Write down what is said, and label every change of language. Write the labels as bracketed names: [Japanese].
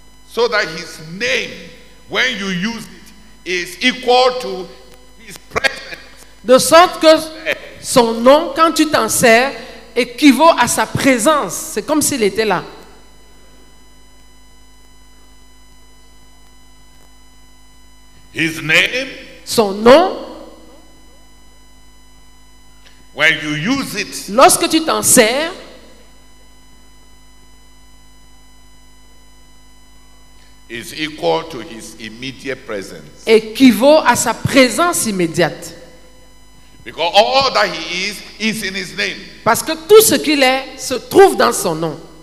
[English] So that his name, when you use it, is equal to his presence. [French] De sorte que son nom, quand tu t'en sers, équivaut à sa présence. C'est comme s'il était là. [English] His name. [French] Son nom. [English] When you use it. [French] Lorsque tu t'en sers. [English] Is equal to his immediate presence. [French] Équivaut à sa présence immédiate. [English] Because all that he is in his name. [French] Parce que tout ce qu'il est se trouve dans son nom.